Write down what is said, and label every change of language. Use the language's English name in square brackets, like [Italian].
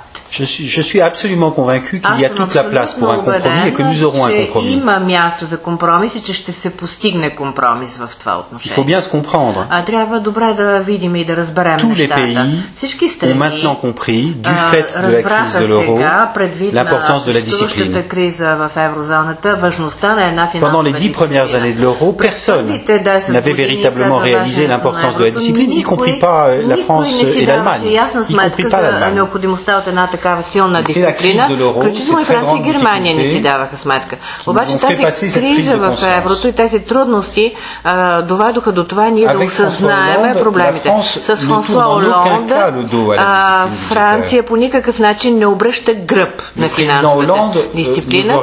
[French] Je suis absolument convaincu qu'il y a toute la place pour un compromis et que nous aurons un compromis. [Bulgarian] Има място за компромис и че ще се постигне компромис в това отношение. [French] Il faut bien se comprendre. [Bulgarian] Трябва добре да видим и да разберем нещата. [French] Tous les pays ont maintenant compris du fait de la crise de l'euro, l'importance de la discipline. [Bulgarian] Разбраха сега, предвид на кризата в еврозоната, важността на една финансова дисциплина. [French] Pendant les 10 premières années de l'euro, personne n'avait véritablement réalisé l'importance de la discipline, y compris pas la France et l'Allemagne. [Bulgarian] Такава силна дисциплина, включително и Франция и Германия не си даваха сметка. Обаче тази криза в еврото и тези трудности доведоха до това ние да осъзнаем проблемите. С Франсуа Оланд Франция по никакъв начин не обръща гръб на финансовата дисциплина.